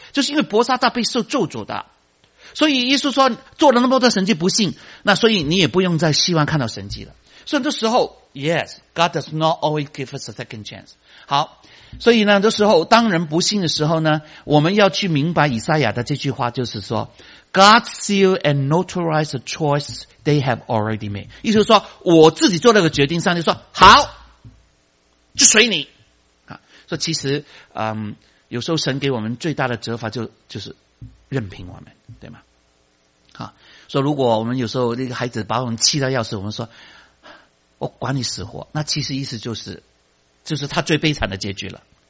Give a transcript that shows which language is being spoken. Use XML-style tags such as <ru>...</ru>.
<zh>就是因为伯撒大被受咒诅的，所以耶稣说做了那么多神迹不信，那所以你也不用再希望看到神迹了。所以很多时候</zh> <en>，Yes, God does not always give us a second chance。</en> <zh>好，所以呢，很多时候当人不信的时候呢，我们要去明白以赛亚的这句话，就是说。</zh> <en>God seal and notarize the choice they have already made.</en> <zh>意思是说，我自己做了个决定，上帝说好，就随你。啊，所以其实，有时候神给我们最大的责罚就是任凭我们，对吗？啊，说如果我们有时候那个孩子把我们气到要死，我们说，我管你死活，那其实意思就是他最悲惨的结局了。</zh>